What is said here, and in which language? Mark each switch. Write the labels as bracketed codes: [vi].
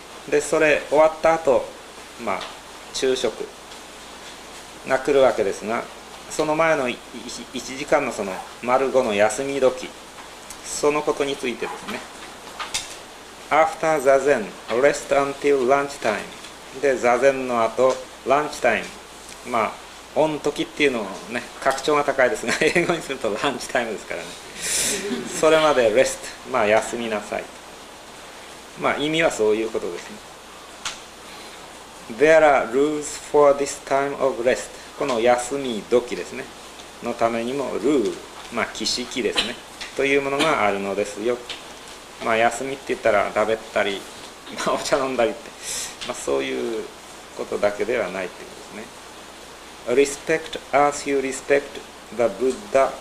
[ja] でそれ終わった後、まあ昼食が来るわけですが、その前の1時間のその丸5の休み時、そのことについてですね、 [en] After Zazen, rest until lunch time. [ja] で、Zazen の後、lunch time. まあ、御時っていうのはね、格調が高いですが、英語にすると lunch time ですからね。それまで rest、まあ休みなさい。まあ意味はそういうことですね。 [en] There are rules for this time of rest. [ja] この休み時ですね。のためにも、rule、まあ儀式ですね。というものがあるのですよ。まあ、休みって言ったら食べたり、まあ、お茶飲んだりって、まあ、そういうことだけではないっていうことですね。 [en] Respect as you respect the Buddha。